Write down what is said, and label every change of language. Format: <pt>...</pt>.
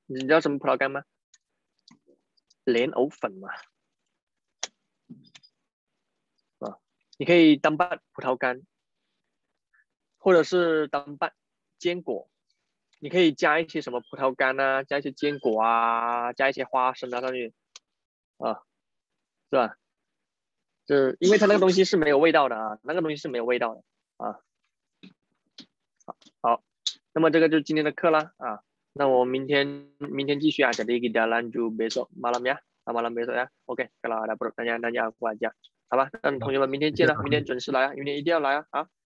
<zh>你知道什么葡萄干吗？莲藕粉嘛，啊，你可以当拌葡萄干，或者是当拌坚果，你可以加一些什么葡萄干啊，加一些坚果啊，加一些花生啊上去，啊，是吧？是因为它那个东西是没有味道的啊，那个东西是没有味道的啊。好，那么这个就是今天的课啦啊。那我明天继续啊，</zh> <id>jadi kita lanjut besok malam ya， malam besok ya， OK， kalau ada pertanyaan nanya aku aja，</id> <zh>好吧，那同学们明天见了，明天准时来啊，明天一定要来啊，啊，</zh>